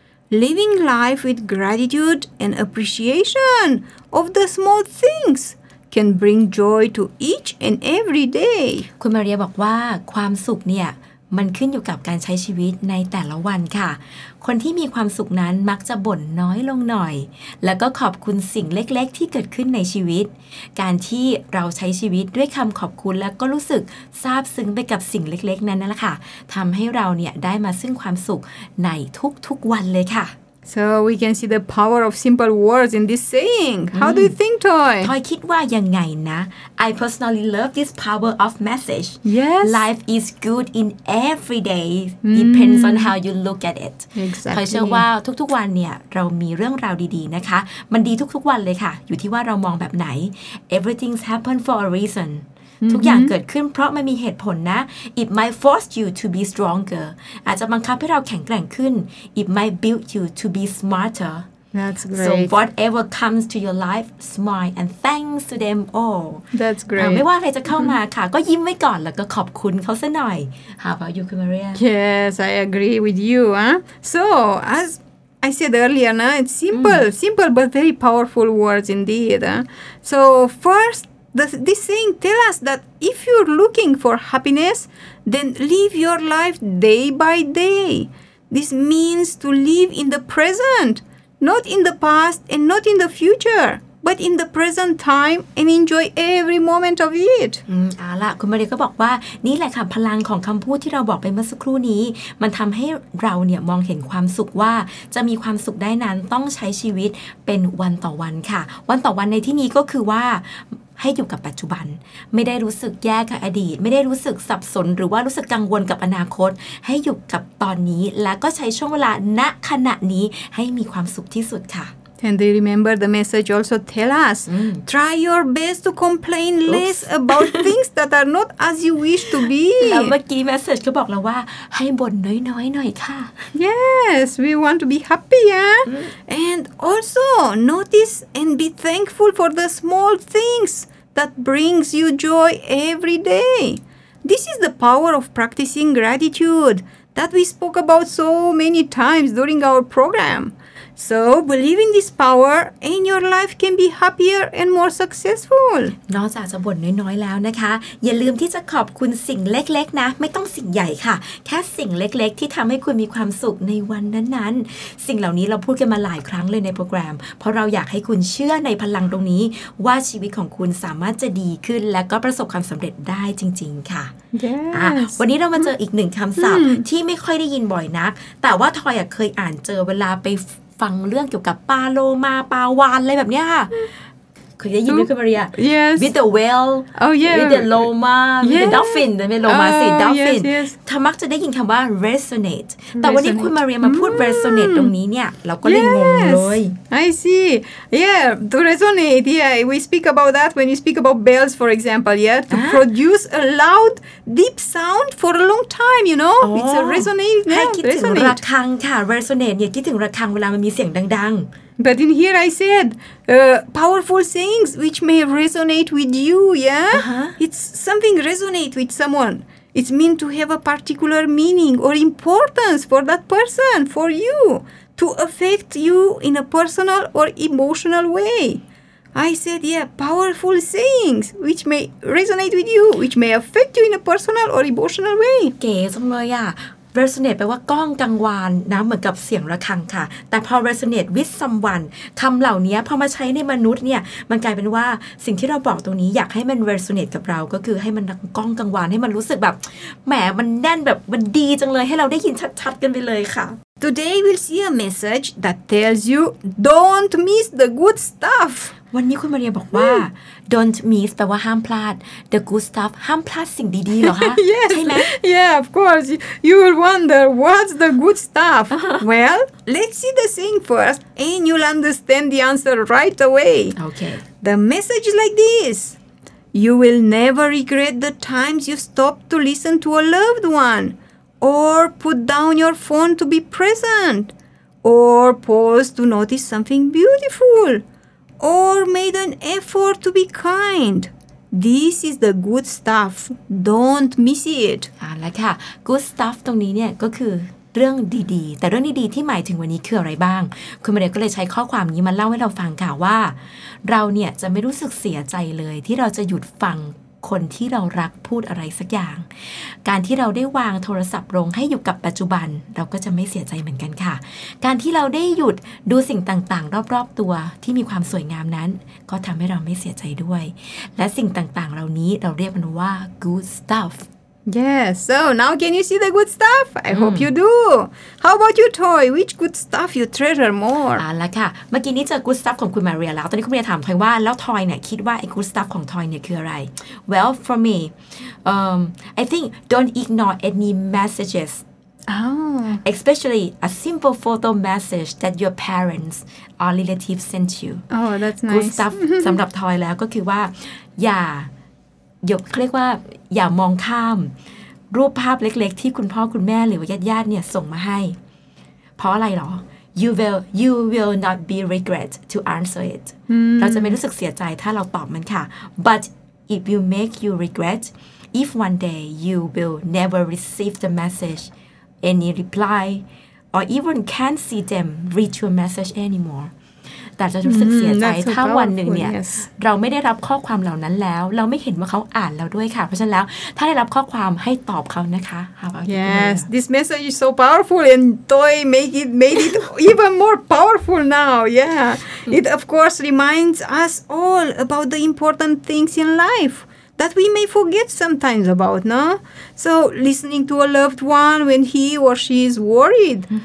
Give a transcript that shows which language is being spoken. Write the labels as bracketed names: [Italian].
[English] Living life with gratitude and appreciation of the small things can bring joy to each and every day. [Thai] คุณมาเรียบอกว่าความสุขเนี่ยมันขึ้นอยู่กับการใช้ชีวิตในแต่ละวันค่ะคนที่มีความสุขนั้นมักจะบ่นน้อยลงหน่อยแล้วก็ขอบคุณสิ่งเล็กๆที่เกิดขึ้นในชีวิตการที่เราใช้ชีวิตด้วยคำขอบคุณแล้วก็รู้สึกซาบซึ้งไปกับสิ่งเล็กๆนั้นนั่นแหละค่ะทำให้เราเนี่ยได้มาซึ่งความสุขในทุกๆวันเลยค่ะ [English] So we can see the power of simple words in this saying How do you think Toy? Toy [Thai] คิดว่ายังไงนะ [English] I personally love this power of message Yes Life is good in every day Depends on how you look at it Exactly [Thai] Toy เชื่อว่าทุกๆวันเนี่ยเรามีเรื่องราวดีๆนะคะมันดีทุกๆวันเลยค่ะอยู่ที่ว่าเรามองแบบไหน [English] Everything's happened for a reason [Thai] ทุกอย่างเกิดขึ้นเพราะมันมีเหตุผลนะ [English] It might force you to be stronger [Thai] อาจจะบังคับให้เราแข็งแกร่งขึ้น [English] It might build you to be smarter That's great So whatever comes to your life smile and thanks to them all That's great [Thai] ไม่ว่าอะไรจะเข้ามาค่ะก็ยิ้มไว้ก่อนแล้วก็ขอบคุณเขาซะหน่อย [English] How about you Maria Yes I agree with you So as I said earlier นะ It's simple simple but very powerful words indeed So firstThis saying tells us that if you're looking for happiness, then live your life day by day. This means to live in the present, not in the past and not in the future. But in the present time and enjoy every moment of it. [Thai] ล่ะคุณมาเรียก็บอกว่านี่แหละค่ะพลังของคำพูดที่เราบอกไปเมื่อสักครู่นี้มันทำให้เราเนี่ยมองเห็นความสุขว่าจะมีความสุขได้นั้นต้องใช้ชีวิตเป็นวันต่อวันค่ะวันต่อวันในที่นี้ก็คือว่าให้อยู่กับปัจจุบันไม่ได้รู้สึกแย่กับอดีตไม่ได้รู้สึกสับสนหรือว่ารู้สึกกังวลกับอนาคตให้อยู่กับตอนนี้แล้วก็ใช้ช่วงเวลาณขณะนี้ให้มีความสุขที่สุดค่ะ [English] And they remember the message also tell us, try your best to complain less about things that are not as you wish to be. [Thai] แล้วเมื่อกี้ message ก็บอกแล้วว่าให้บ่นน้อยๆหน่อยค่ะ [English] Yes, we want to be happy, And also notice and be thankful for the small things that brings you joy every day. This is the power of practicing gratitude that we spoke about so many times during our program. So, believe in this power and your life can be happier and more successful. [Thai] นอกจากจะบ่นน้อยๆแล้วนะคะอย่าลืมที่จะขอบคุณสิ่งเล็กๆนะไม่ต้องสิ่งใหญ่ค่ะแค่สิ่งเล็กๆที่ทำให้คุณมีความสุขในวันนั้นๆสิ่งเหล่านี้เราพูดกันมาหลายครั้งเลยในโปรแกรมเพราะเราอยากให้คุณเชื่อในพลังตรงนี้ว่าชีวิตของคุณสามารถจะดีขึ้นและก็ประสบความสำเร็จได้จริงๆค่ะ [English] Yes. [Thai] วันนี้เรามาเจออีกหนึ่งคำศัพท์ที่ไม่ค่อยได้ยินบ่อยนักแต่ว่าทอยเคยอ่านเจอเวลาไปฟังเรื่องเกี่ยวกับปลาโลมาปลาวานอะไรแบบนี้ค่ะเคยได้ยินไหมคุณมาเรีย [English] Yes with the whale Oh yeah with the llama yes. with the dolphin [Thai] ใช่ไหมโลมาสิ [English] dolphin yes. [Thai] ทำไมจะได้ยินคำว่า resonate แต่วันนี้คุณมาเรียมาพูด resonate ตรงนี้เนี่ยเราก็เลยงงเลย [English] I see yeah to resonate yeah we speak about that when you speak about bells for example yeah to produce a loud deep sound for a long time you know it's a resonate yeah [Thai] ให้คิดถึงระฆังค่ะ resonate เนี่ยคิดถึงระฆังเวลามันมีเสียงดัง [English] But in here I said powerful sayings which may resonate with you, yeah? Uh-huh. It's something resonate with someone. It's mean to have a particular meaning or importance for that person, for you, to affect you in a personal or emotional way. I said, yeah, powerful sayings, which may resonate with you, which may affect you in a personal or emotional way. [Thai] เก๋จังเลยอ่ะ resonate แปลว่าก้องกังวานนะเหมือนกับเสียงระฆังค่ะแต่พอ resonate with someone คำเหล่านี้พอมาใช้ในมนุษย์เนี่ยมันกลายเป็นว่าสิ่งที่เราบอกตรงนี้อยากให้มัน resonate กับเราก็คือให้มันก้องกังวานให้มันรู้สึกแบบแหมมันแน่นแบบมันดีจังเลยให้เราได้ยินชัดๆกันไปเลยค่ะ [English] Today we'll see a message that tells you don't miss the good stuff. [Thai] วันนี้คุณมาเรียบอกว่า don't miss แปลว่าห้ามพลาด the good stuff ห้ามพลาดสิ่งดีๆเหรอคะ [English] yes. [Thai] ใช่ไหม [English] Yeah, of course. You will wonder what's the good stuff. Well, let's see the thing first, and you'll understand the answer right away. Okay. The message is like this: You will never regret the times you stopped to listen to a loved one. Or put down your phone to be present. Or pause to notice something beautiful. Or made an effort to be kind. This is the good stuff. Don't miss it. Like that. [Thai] Good stuff ตรงนี้เนี่ยก็คือเรื่องดีๆแต่เรื่องดีๆที่หมายถึงวันนี้คืออะไรบ้างคุณมาเรย์ก็เลยใช้ข้อความนี้มาเล่าให้เราฟังค่ะว่าเราเนี่ยจะไม่รู้สึกเสียใจเลยที่เราจะหยุดฟังคนที่เรารักพูดอะไรสักอย่างการที่เราได้วางโทรศัพท์ลงให้อยู่กับปัจจุบันเราก็จะไม่เสียใจเหมือนกันค่ะการที่เราได้หยุดดูสิ่งต่างๆรอบๆตัวที่มีความสวยงามนั้นก็ทำให้เราไม่เสียใจด้วยและสิ่งต่างๆเหล่านี้เราเรียกมันว่า good stuff [English] yes so now can you see the good stuff I hope you do how about your toy which good stuff you treasure more [Thai] แล้วค่ะเมื่อกี้นี้เจอ good stuff ของคุณมาเรียแล้วตอนนี้คุณมาถามทอยว่าแล้วทอยเนี่ยคิดว่าไอ้ good stuff ของทอยเนี่ยคืออะไร [English] well for me I think don't ignore any messagesespecially a simple photo message that your parents or relatives sent you oh that's nice [Thai] good stuff สำหรับทอยแล้วก็คือว่าอย่าเขาเรียกว่าอย่ามองข้ามรูปภาพเล็กๆที่คุณพ่อคุณแม่หรือว่าญาติๆเนี่ยส่งมาให้ เพราะอะไรหรอ [English] you will not be regret to answer it [Thai] เราจะไม่รู้สึกเสียใจถ้าเราตอบมันค่ะ [English] but it will make you regret if one day you will never receive the message any reply or even can't see them read your message anymore [Thai] แต่จะรู้สึกเสียใจถ้าวันหนึ่งเนี่ย [English] yes. [Thai] เราไม่ได้รับข้อความเหล่านั้นแล้วเราไม่เห็นว่าเขาอ่านเราด้วยค่ะเพราะฉะนั้นแล้วถ้าได้รับข้อความให้ตอบเขานะคะ [English] How about yes this message is so powerful and toy made it even more powerful now yeah it of course reminds us all about the important things in life that we may forget sometimes about no so listening to a loved one when he or she is worried